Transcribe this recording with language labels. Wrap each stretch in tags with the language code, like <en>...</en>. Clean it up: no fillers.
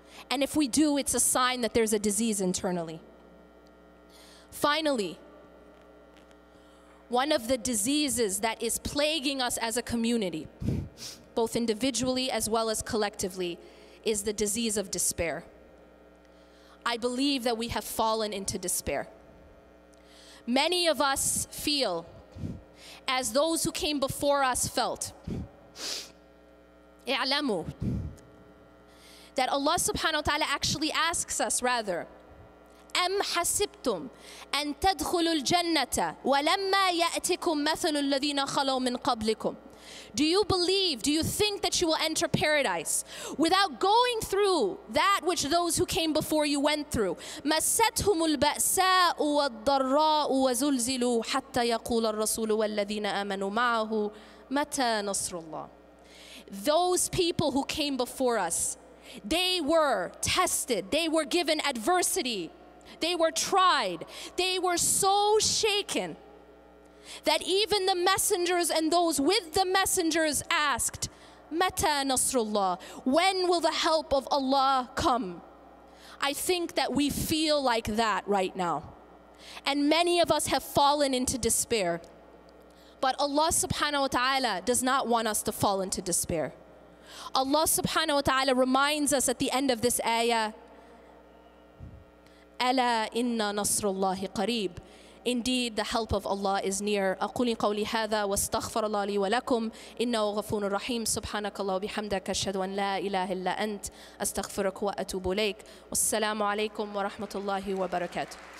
<en>And if we do, it's a sign that there's a disease internally. Finally, one of the diseases that is plaguing us as a community, both individually as well as collectively, is the disease of despair. I believe that we have fallen into despair. Many of us feel as those who came before us felt.</en> <ar>اعلموا</ar> <en>that Allah subhanahu wa ta'ala actually asks us rather,</en> <ar>أَمْ حَسِبْتُمْ أَن تَدْخُلُوا الْجَنَّةَ وَلَمَّا يَأْتِكُمْ مَثَلُ الَّذِينَ خَلَوْا مِن قَبْلِكُمْ.</ar> <en>Do you believe, do you think that you will enter paradise without going through that which those who came before you went through?</en> <ar>مَسَّتْهُمُ الْبَأْسَاءُ وَالضَّرَّاءُ وَزُلْزِلُوا حَتَّى يَقُولَ الرَّسُولُ وَالَّذِينَ آمَنُوا مَعَهُ مَتَى نَصْرُ اللَّهِ.</ar> <en>Those people who came before us, they were tested, they were given adversity, they were tried, they were so shaken that even the messengers and those with the messengers asked,</en> <ar>Mata Nasrullah,</ar> <en>when will the help of Allah come? I think that we feel like that right now. And many of us have fallen into despair. But Allah subhanahu wa ta'ala does not want us to fall into despair. Allah subhanahu wa ta'ala reminds us at the end of this ayah,</en> <ar>Ala inna Nasrullahi qareeb.</ar> <en>Indeed, the help of Allah is near.</en> <ar>أقول قولي هذا واستغفر الله لي ولكم إنه غفور رحيم سبحانك الله وبحمدك أشهد أن لا إله إلا أنت أستغفرك وأتوب إليك والسلام عليكم ورحمة الله وبركاته.</ar>